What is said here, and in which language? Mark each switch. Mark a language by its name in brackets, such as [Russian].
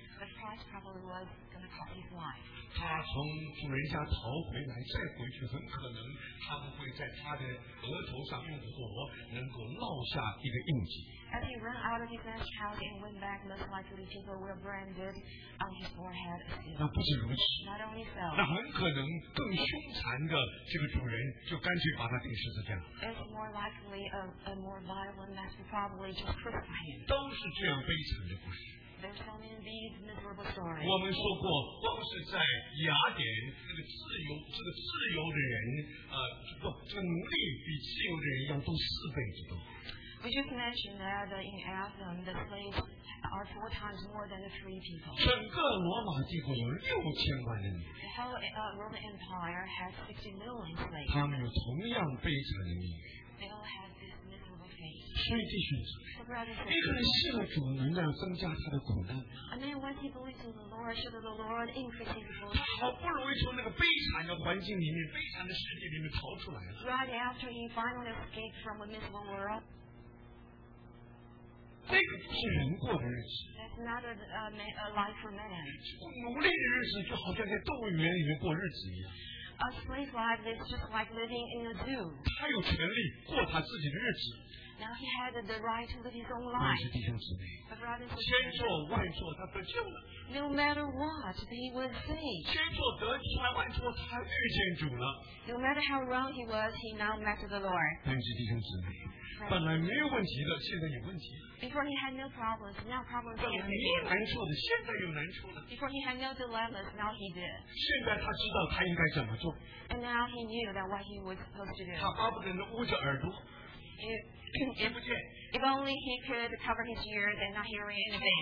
[English] 他从主人家逃回来再回去，很可能他们会在他的额头上用火能够烙下一个印记。 As he ran out of his own house and went back, most likely people were branded on his forehead. [Chinese] 那不是如此。 [English] Not only so. [Chinese] 那很可能更凶残的这个主人就干脆把他钉十字架。 [English] It's more likely a more violent master probably just crucified him. [Chinese] 都是这样悲惨的故事。 [English] There's so many of these miserable stories. [Chinese] 我们说过，光是在雅典，这个自由，这个自由的人，不，这个奴隶比自由的人要多四倍之多。 [English] We just mentioned that in Athens, the slaves are four times more than the free people. [Chinese] 整个罗马帝国有六千万人。 [English] The whole Roman Empire has 60 million slaves. [Chinese] 他们有同样悲惨的命运。 [English] They all have this miserable fate. [Chinese] 所以弟兄姊妹，一个人信了主，应该要增加他的苦难。 [English] A man, when he believes in the Lord, should the Lord increase his fate? [Chinese] 他好不容易从那个悲惨的环境里面、悲惨的世界里面逃出来了。 [English] Right after he finally escaped from a miserable world. [Chinese] 这个不是人过的日子。 [English] That's not a life for man. [Chinese] 奴隶的日子就好像在动物园里面过日子一样。 [English] A slave life is just like living in a zoo. [Chinese] 他有权利过他自己的日子。 [English] Now he had the right to live his own life. [Chinese] 那是弟兄姊妹。 [English] But brothers, [Chinese] 千错万错，他得救了。 [English] No matter what, he was saved. [Chinese] 千错得千万错，他遇见主了。 [English] No matter how wrong he was, he now met the Lord. [Chinese] 那是弟兄姊妹。本来没有问题的，现在有问题了。 [English] Before he had no problems, now problems came. [Chinese] 本来没有难处的，现在有难处了。 [English] Before he had no dilemmas, now he did. [Chinese] 现在他知道他应该怎么做。 [English] And now he knew that what he was supposed to do. [Chinese] 他巴不得能捂着耳朵。 [English] If only he could cover his ears and not hear anything.